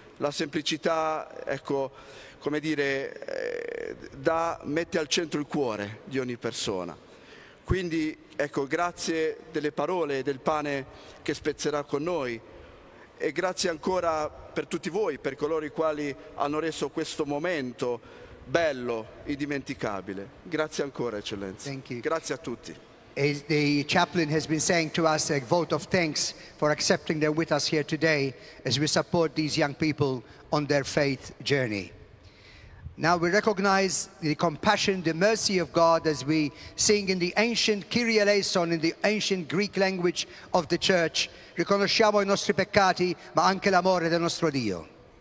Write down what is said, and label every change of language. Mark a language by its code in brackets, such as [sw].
[it] La semplicità, ecco, come dire, mette al centro il cuore di ogni persona. Quindi, ecco, grazie delle parole, del pane che spezzerà con noi. E grazie ancora per tutti voi, per coloro i quali hanno reso questo momento bello, indimenticabile. Grazie ancora, Eccellenza. [en] Thank you. [it] Grazie a tutti. [en] As the chaplain has been saying to us, a vote of thanks for accepting them with us here today as we support these young people on their faith journey. Now we recognize the compassion, the mercy of God as we sing in the ancient Kyrie eleison, in the ancient Greek language of the church. [it] Riconosciamo i nostri peccati, ma anche l'amore del nostro Dio.